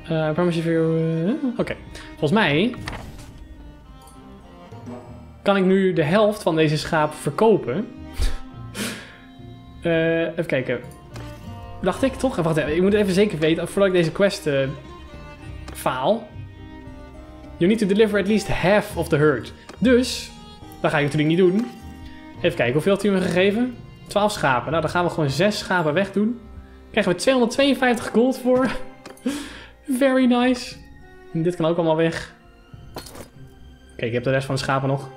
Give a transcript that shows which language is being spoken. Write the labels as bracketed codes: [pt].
[en] I promise you... [nl] Oké. Volgens mij... kan ik nu de helft van deze schapen verkopen. even kijken. Dacht ik toch? Wacht even, ik moet even zeker weten voordat ik deze quest faal. [en] You need to deliver at least half of the herd. [nl] Dus, dat ga ik natuurlijk niet doen. Even kijken, hoeveel heeft u me gegeven? 12 schapen. Nou, dan gaan we gewoon 6 schapen wegdoen. Krijgen we 252 gold voor. [en] Very nice. [nl] En dit kan ook allemaal weg. Kijk, ik heb de rest van de schapen nog.